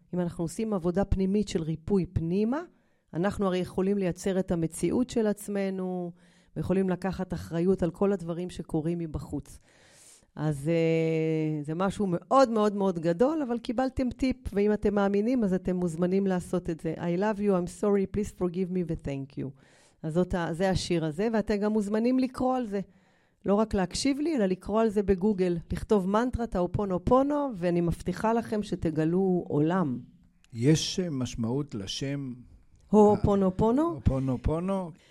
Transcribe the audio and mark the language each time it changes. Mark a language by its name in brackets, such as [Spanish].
[Hebrew] אם אנחנו עושים עבודה פנימית של ריפוי פנימה, אנחנו הרי יכולים לייצר את המציאות של עצמנו, ויכולים לקחת אחריות על כל הדברים שקורים מבחוץ. אז זה משהו מאוד מאוד מאוד גדול, אבל קיבלתם טיפ, ואם אתם מאמינים, אז אתם מוזמנים לעשות את זה. [English] I love you, I'm sorry, please forgive me, thank you. [Hebrew] אז זה השיר הזה, ואתם גם מוזמנים לקרוא על זה. לא רק להקשיב לי, אלא לקרוא על זה בגוגל. לכתוב מנטרת הו-אופונו-פונו, ואני מבטיחה לכם שתגלו עולם. יש משמעות לשם הו-אופונו-פונו? הו-אופונו-פונו.